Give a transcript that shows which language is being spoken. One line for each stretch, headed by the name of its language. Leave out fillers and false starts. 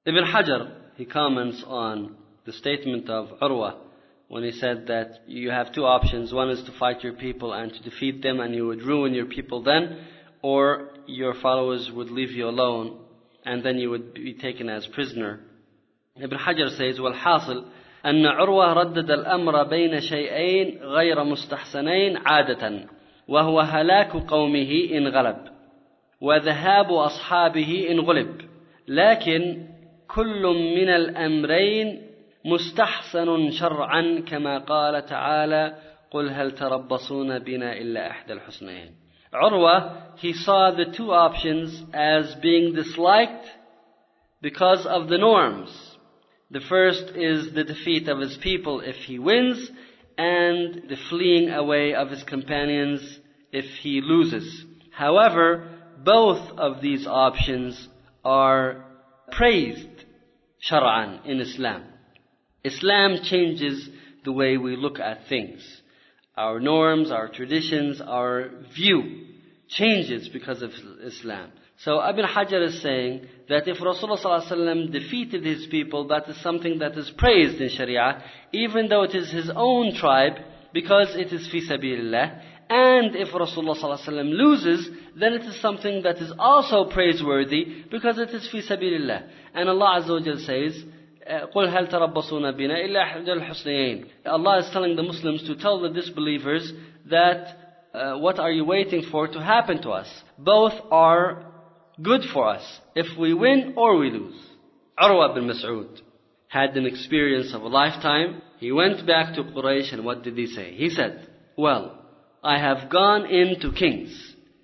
English: Ibn Hajar, he comments on the statement of Urwa when he said that you have two options. One is to fight your people and to defeat them, and you would ruin your people then, or your followers would leave you alone and then you would be taken as prisoner. Ibn Hajar says,
Arabic: والحاصل أن عروة ردد الأمر بين شيئين غير مستحسنين عادة وهو هلاك قومه إن غلب وذهاب أصحابه إن غلب لكن كل من الأمرين مستحسن شرعا كما قال تعالى قل هل تربصون بنا إلا إحدى الحسنين.
English: عروة, he saw the two options as being disliked because of the norms. The first is the defeat of his people if he wins, and the fleeing away of his companions if he loses. However, both of these options are praised shara'an in Islam. Islam changes the way we look at things. Our norms, our traditions, our view changes because of Islam. So Ibn Hajar is saying that if Rasulullah ﷺ defeated his people, that is something that is praised in Sharia, even though it is his own tribe, because it is fi sabilillah. And if Rasulullah ﷺ loses, then it is something that is also praiseworthy, because it is fi sabilillah. And Allah Azza wa Jalla says,
Arabic: قُلْ هَلْ تَرَبَّصُونَ بِنَا إِلَّا أَحْدَى الْحُسْنَيَيْنِ.
English: Allah is telling the Muslims to tell the disbelievers that what are you waiting for to happen to us? Both are good for us, if we win or we lose. Urwa bin Mas'ud had an experience of a lifetime. He went back to Quraysh, and what did he say? He said, "Well, I have gone in to kings.